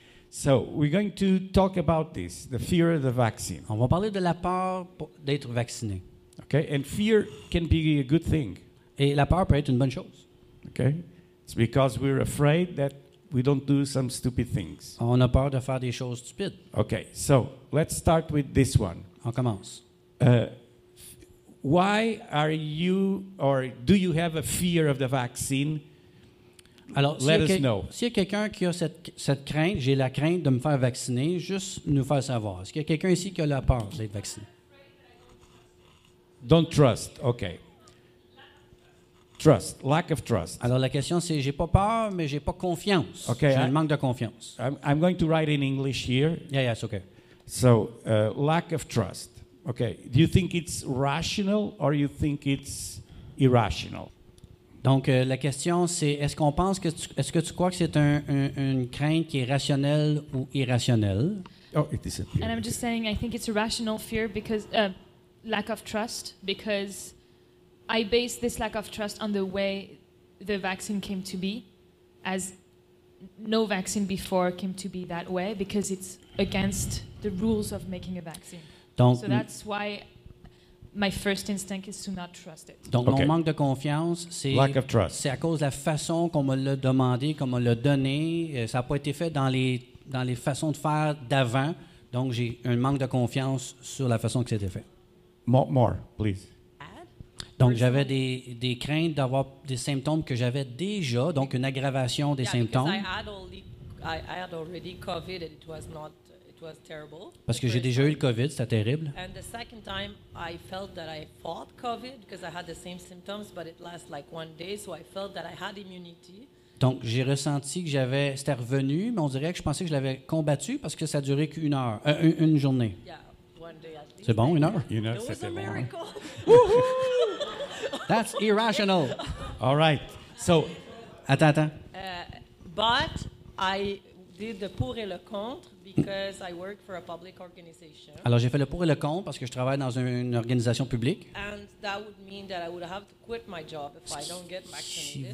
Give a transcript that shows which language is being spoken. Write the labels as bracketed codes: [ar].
[en] So we're going to talk about this, the fear of the vaccine. [fr] On va parler de la peur d'être vacciné. [en] Okay, and fear can be a good thing. [fr] Et la peur peut être une bonne chose. [en] Okay, it's because we're afraid that we don't do some stupid things. [fr] On a peur de faire des choses stupides. [en] Okay, so let's start with this one. [fr] On commence. [en] Why are you, or do you have a fear of the vaccine? [fr] Alors, s'il y a quelqu'un qui a cette crainte, j'ai la crainte de me faire vacciner, juste nous faire savoir. Est-ce qu'il y a quelqu'un ici qui a la peur d'être vacciné? [en] Don't trust. Okay. Trust. Lack of trust. [fr] Alors, la question, c'est, j'ai pas peur, mais j'ai pas confiance. [en] Okay, [fr] j'ai un manque de confiance. [en] I'm going to write in English here. Yeah, it's okay. So, lack of trust. Okay. Do you think it's rational or you think it's irrational? [fr] Donc, la question, c'est, est-ce que tu crois que c'est une crainte qui est rationnelle ou irrationnelle? [en] Oh, it disappeared. And I'm just saying, I think it's a rational fear because, lack of trust, because I base this lack of trust on the way the vaccine came to be, as no vaccine before came to be that way, because it's against the rules of making a vaccine. [fr] Donc, [en] so that's why my first instinct is to not trust it. [fr] Donc, okay. Mon manque de confiance, c'est à cause de la façon qu'on me l'a demandé, qu'on me l'a donné. Ça n'a pas été fait dans les façons de faire d'avant. Donc, j'ai un manque de confiance sur la façon que c'était fait. [en] More, please. [fr] Donc, j'avais des craintes d'avoir des symptômes que j'avais déjà, donc une aggravation des symptômes. [en] I had already COVID and it was terrible. [fr] Parce que j'ai déjà eu le COVID, c'était terrible. [en] And the second time, I felt that I fought COVID because I had the same symptoms, but it lasted like one day, so I felt that I had immunity. [fr] Donc, j'ai ressenti que c'était revenu, mais on dirait que je pensais que je l'avais combattu parce que ça a duré qu'une heure, une journée. [en] Yeah, one day at least. [fr] C'est bon, une heure? [en] You know, [fr] c'était [en] a miracle. [fr] Bon. [en] That's irrational. All right. So, [fr] attends. [en] But I did the [fr] pour et le contre [en] because I work for a public organization. [fr] Alors j'ai fait le pour et le contre parce que je travaille dans une organisation publique. [en] And that would mean that I would have to quit my job if I don't get vaccinated.